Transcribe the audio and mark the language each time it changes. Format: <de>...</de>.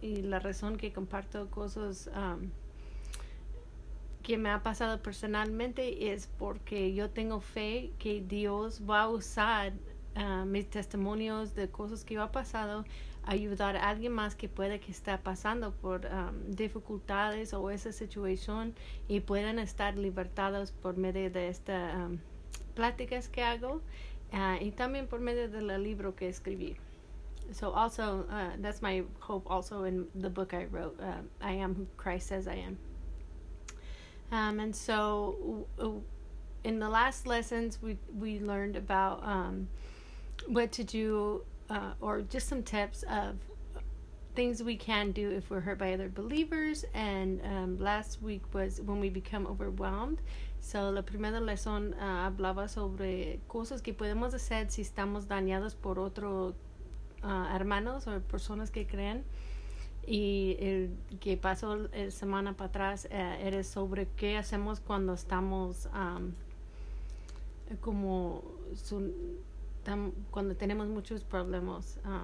<es>Y la razón que comparto cosas que me ha pasado personalmente es porque yo tengo fe que Dios va a usar mis testimonios de cosas que yo he pasado a ayudar a alguien más que puede que esté pasando por dificultades o esa situación, y puedan estar libertados por medio de estas pláticas que hago. Y también por medio del libro que escribí.</es> <en>So also, that's my hope also in the book I wrote, I Am Who Christ Says I Am. And so, in the last lessons, we learned about what to do, or just some tips of things we can do if we're hurt by other believers. And last week was when we become overwhelmed.</en> <es>So la primera lección hablaba sobre cosas que podemos hacer si estamos dañados por otros hermanos o personas que creen. Y el que pasó la semana para atrás era sobre qué hacemos cuando estamos cuando tenemos muchos problemas.</es>